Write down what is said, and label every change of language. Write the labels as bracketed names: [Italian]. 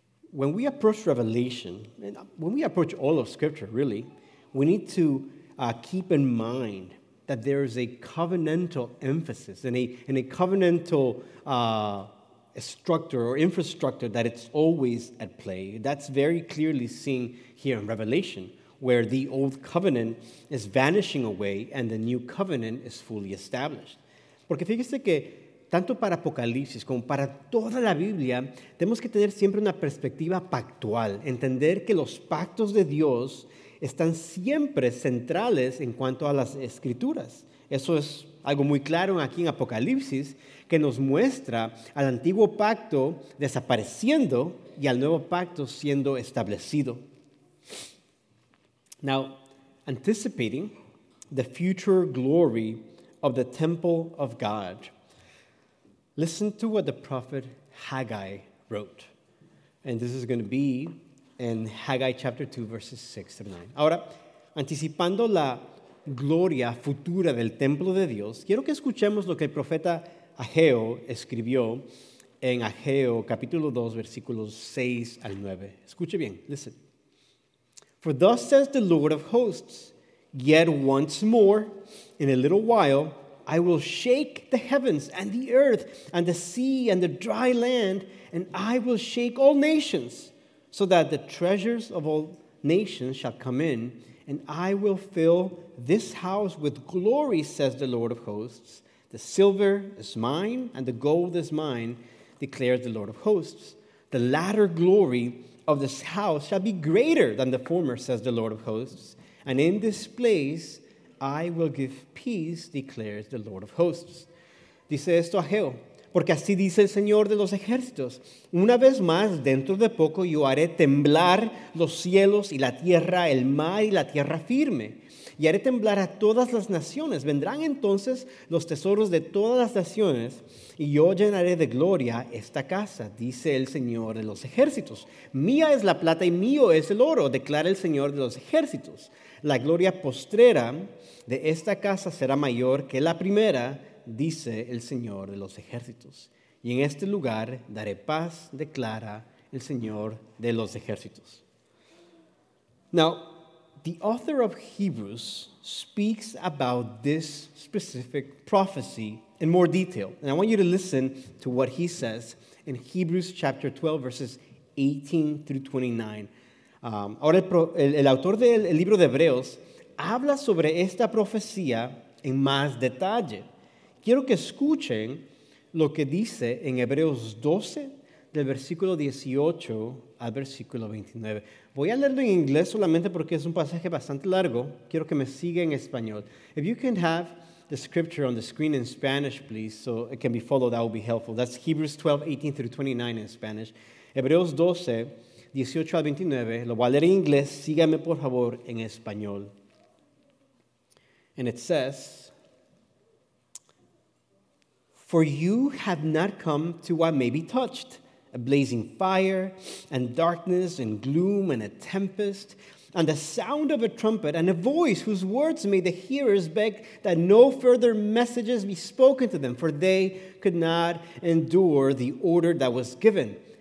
[English] when we approach Revelation, and when we approach all of Scripture, really, we need to keep in mind that there is a covenantal emphasis and a covenantal structure or infrastructure that it's always at play. That's very clearly seen here in Revelation, where the old covenant is vanishing away and the new covenant is fully established. [Spanish] Porque fíjese que tanto para Apocalipsis como para toda la Biblia, tenemos que tener siempre una perspectiva pactual, entender que los pactos de Dios están siempre centrales en cuanto a las Escrituras. Eso es algo muy claro aquí en Apocalipsis, que nos muestra al antiguo pacto desapareciendo y al nuevo pacto siendo establecido. [English] Now, anticipating the future glory of the temple of God, listen to what the prophet Haggai wrote. And this is going to be in Haggai chapter 2, verses 6 to 9. [Spanish] Ahora, anticipando la gloria futura del templo de Dios, quiero que escuchemos lo que el profeta Ageo escribió en Ageo capítulo 2, versículos 6 al 9. Escuche bien, [English] listen. For thus says the Lord of hosts, yet once more, in a little while, I will shake the heavens and the earth and the sea and the dry land, and I will shake all nations, so that the treasures of all nations shall come in, and I will fill this house with glory, says the Lord of hosts. The silver is mine, and the gold is mine, declares the Lord of hosts. The latter glory of this house shall be greater than the former, says the Lord of hosts. And in this place I will give peace, declares the Lord of hosts. [Spanish] Dice esto Ageo, porque así dice el Señor de los ejércitos. Una vez más, dentro de poco, yo haré temblar los cielos y la tierra, el mar y la tierra firme. Y haré temblar a todas las naciones. Vendrán entonces los tesoros de todas las naciones, y yo llenaré de gloria esta casa, dice el Señor de los ejércitos. Mía es la plata y mío es el oro, declara el Señor de los ejércitos. La gloria postrera de esta casa será mayor que la primera, dice el Señor de los ejércitos. Y en este lugar daré paz, declara el Señor de los ejércitos. [English] Now, the author of Hebrews speaks about this specific prophecy in more detail. And I want you to listen to what he says in Hebrews chapter 12, verses 18 through 29. [Spanish] Ahora el autor del el libro de Hebreos habla sobre esta profecía en más detalle. Quiero que escuchen lo que dice en Hebreos 12, del versículo 18 al versículo 29. Voy a leerlo en inglés solamente porque es un pasaje bastante largo. Quiero que me siga en español. [English] If you can have the scripture on the screen in Spanish, please, so it can be followed, that would be helpful. That's Hebrews 12, 18 through 29 in Spanish. [Spanish] Hebreos 12, 18 al 29. Lo voy a leer en inglés. Sígame, por favor, en español. [English] And it says, for you have not come to what may be touched, a blazing fire and darkness and gloom and a tempest and the sound of a trumpet and a voice whose words made the hearers beg that no further messages be spoken to them, for they could not endure the order that was given.